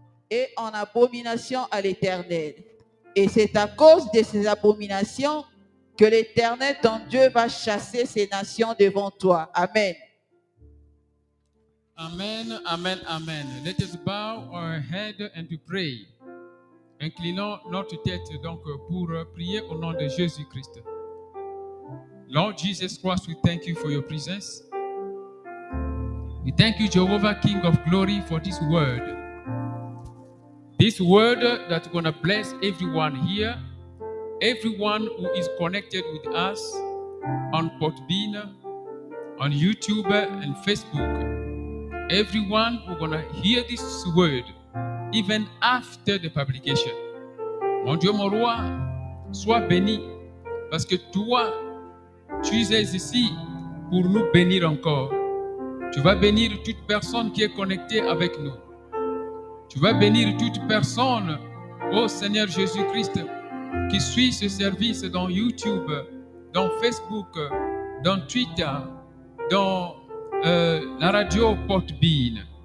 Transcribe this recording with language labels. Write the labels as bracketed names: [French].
[French] et en abomination à l'Éternel. Et c'est à cause de ces abominations que l'Éternel, ton Dieu, va chasser ces nations devant toi. Amen. [English] Amen, amen, amen. Let us bow our head and pray. [French] Inclinons notre tête donc pour prier au nom de Jésus-Christ. [English] Lord Jesus Christ, we thank you for your presence. We thank you, Jehovah, King of Glory, for this word. This word that's going to bless everyone here, everyone who is connected with us on Podbean, on YouTube and Facebook. Everyone who's going to hear this word, even after the publication. [French] Mon Dieu, mon roi, sois béni, parce que toi, tu es ici pour nous bénir encore. Tu vas bénir toute personne qui est connectée avec nous. Tu vas bénir toute personne, ô Seigneur Jésus-Christ, qui suit ce service dans YouTube, dans Facebook, dans Twitter, dans la radio Podbean.